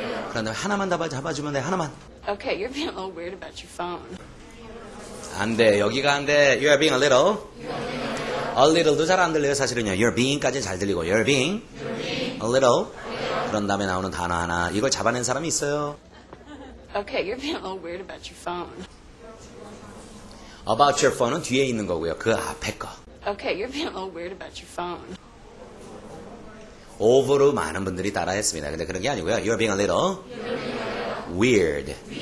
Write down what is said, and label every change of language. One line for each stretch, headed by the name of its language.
Korean: 그런 다음에 하나만 더 잡아주면 돼, 하나만.
English: Okay, you're being a little weird about your phone.
Korean: 안 돼, 여기가 안 돼.
English: You're being a little.
Korean: A little도 잘 안 들려요, 사실은요.
English: You're being까지
Korean: 잘 들리고.
English: You're being. A little.
Korean: 그런 다음에 나오는 단어 하나 이걸 잡아낸 사람이 있어요.
English: Okay, you're being a little weird about your phone. About your phone
Korean: 은 뒤에 있는 거고요. 그 앞에 거.
English: Okay, you're being a little weird about your phone.
Korean: Over로 많은 분들이 따라했습니다. 근데 그런 게 아니고요.
English: You're being a little weird.